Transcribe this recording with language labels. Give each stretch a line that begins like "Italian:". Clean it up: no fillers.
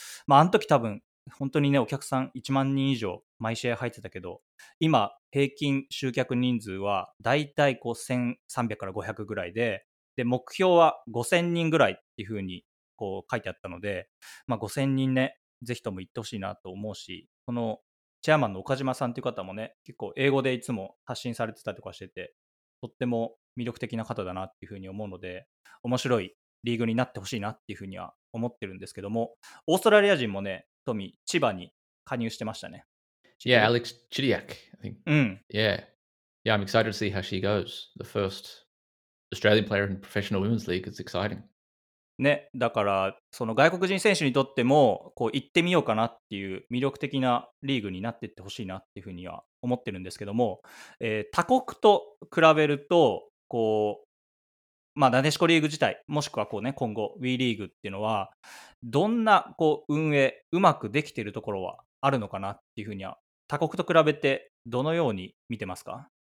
Japanese: まああの時多分本当にねお客さん1万人以上毎試合入ってたけど、今平均集客人数はだいたいこう1300から500ぐらい で目標は5000人ぐらいっていうふうにこう書いてあったので、まあ、5000人ね、ぜひとも行ってほしいなと思うし、このチェアマンの岡島さんという方もね、結構英語でいつも発信されてたとかしてて、とっても魅力的な方だなっていうふうに思うので、面白いリーグになってほしいなっていうふうには思ってるんですけども、オーストラリア人もね、トミ、千葉に加入してましたね。
English: Yeah, Alex Chidiak, I think. Yeah. Yeah, I'm excited to see how she goes. The first Australian player in professional women's league is exciting.
Japanese: ね、だからその外国人選手にとってもこう行ってみようかなっていう魅力的なリーグになっていってほしいなっていうふうには思ってるんですけども、他国と比べるとこう、まあ、なでしこリーグ自体もしくはこう、ね、今後 WEリーグっていうのはどんなこう運営うまくできているところはあるのかなっていうふうには、他国と比べてどのように見てますか？